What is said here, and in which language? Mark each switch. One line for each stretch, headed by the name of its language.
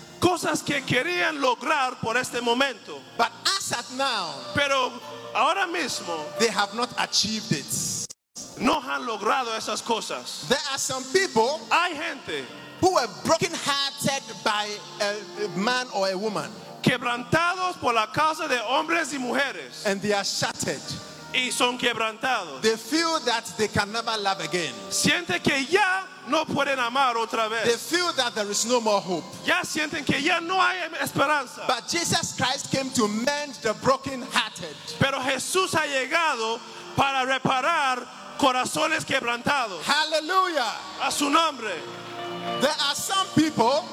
Spanish: cosas que querían lograr por este momento,
English: but as at now,
Spanish: pero ahora mismo,
English: they have not achieved it.
Spanish: No han logrado esas cosas.
English: There are some people,
Spanish: hay gente,
English: who were brokenhearted by a man or a woman,
Spanish: quebrantados por la causa de hombres y mujeres,
English: and they are shattered.
Spanish: Y son quebrantados.
English: They feel that they can never love again.
Spanish: Siente que ya no pueden amar otra vez.
English: They feel that there is no more hope.
Spanish: Ya sienten que ya no hay esperanza.
English: But Jesus Christ came to mend the brokenhearted.
Spanish: Pero Jesús ha llegado para reparar corazones quebrantados.
English: Hallelujah.
Spanish: A su nombre.
English: There are some people,